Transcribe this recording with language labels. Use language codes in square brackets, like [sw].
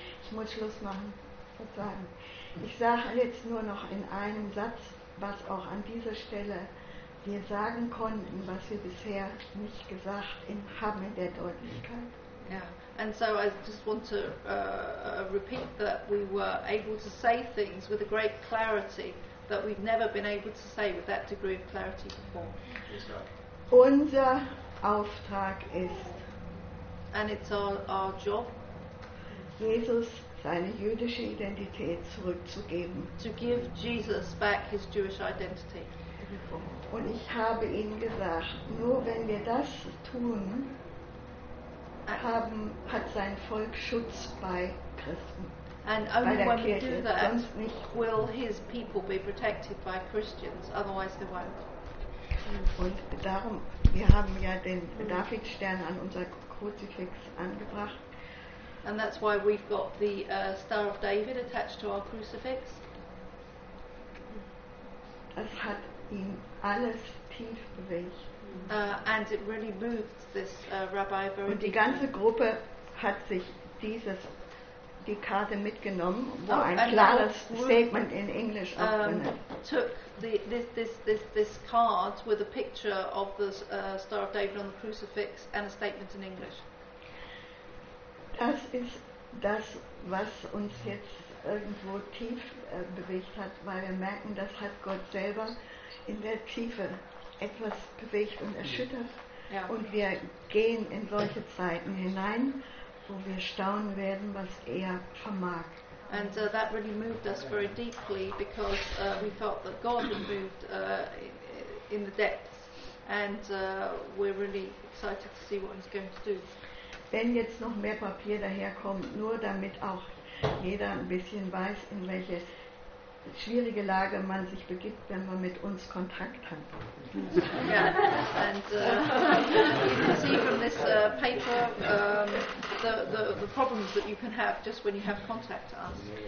[de] Ich muss Schluss machen. Verzeihen. Ich sage jetzt nur noch in einem Satz, was auch an dieser Stelle wir sagen konnten, was wir bisher nicht gesagt haben in der Deutlichkeit. [en] Yeah. And so I just want to repeat that we were able to say things with a great clarity that we've never been able to say with that degree of clarity before. [de] Unser Auftrag ist, [en] and it's our job, [de] Jesus seine jüdische Identität zurückzugeben. [en] To give Jesus back his Jewish identity. [de] Und ich habe ihnen gesagt, nur wenn wir das tun, hat sein Volk Schutz bei Christen. [en] And only [de] bei der [en] when [de] Kirche, [en] we do that, [de] sonst nicht. [en] Will his people be protected by Christians, otherwise they won't. [de] Und darum, wir haben ja den Davidstern an unser Kruzifix angebracht. [en] And that's why we've got the Star of David attached to our crucifix. [de] Das hat ihn alles tief bewegt. [en] And it really moved this rabbi very deeply. [de] Und die ganze Gruppe hat sich die Karte mitgenommen, wo ein klares Statement in Englisch aufgenommen. [en] Took this card with a picture of the Star of David on the crucifix and a statement in English. [de] Das ist das, was uns jetzt irgendwo tief bewegt hat, weil wir merken, das hat Gott selber in der Tiefe etwas bewegt und erschüttert. Ja. Und wir gehen in solche Zeiten hinein, wo wir staunen werden, was er vermag. [en] And that really moved us very deeply, because we felt that God had moved in the depths. and we're really excited to see what he's going to do. [de] Wenn jetzt noch mehr Papier daherkommt, nur damit auch jeder ein bisschen weiß, in welche schwierige Lage man sich begibt, wenn man mit uns Kontakt hat. [en] Yeah. And you can see from this paper the problems that you can have just when you have contact to us.